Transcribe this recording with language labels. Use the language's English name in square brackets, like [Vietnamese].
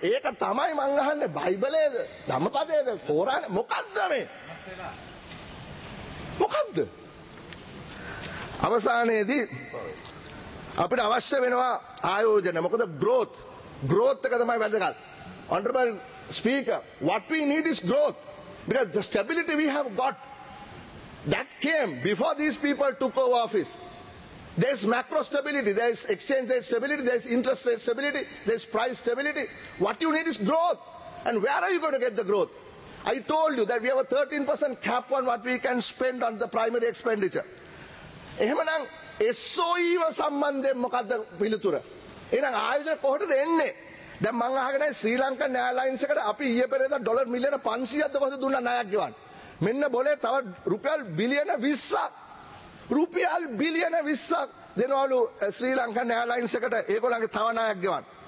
[Sinhala] ඒක තමයි මං අහන්නේ බයිබලයේද ධම්මපදයේද කොරාන මොකද්ද මේ මොකද්ද? අවසානයේදී අපිට අවශ්‍ය වෙනවා ආයෝජන. මොකද growth එක තමයි වැදගත්. [English] honorable speaker, what we need is growth because the stability we have got that came before these people took over office. There is macro stability, there is exchange rate stability, there is interest rate stability, there is price stability. What you need is growth. And where are you going to get the growth? I told you that we have a 13% cap on what we can spend on the primary expenditure. [Sinhala] එහෙමනම් SOEව සම්බන්ධයෙන් මොකද පිළිතුර? එහෙනම් ආයතන කොහෙද එන්නේ? දැන් මං අහගෙන ශ්‍රී ලංකන් එයාලයින්ස් එකට අපි ඊයේ පෙරේදා ඩොලර් මිලියන 500ක්ද කොහෙද දුන්නා ණයක් ගෙවන්න. මෙන්න බොලේ තව රුපියල් බිලියන 20ක් රුපියල් බිලියන 20ක් දෙනවලු ශ්‍රී ලංකන් එයාලයින්ස් එකට ඒගොල්ලන්ගේ තව ණයක් ගෙවන්න.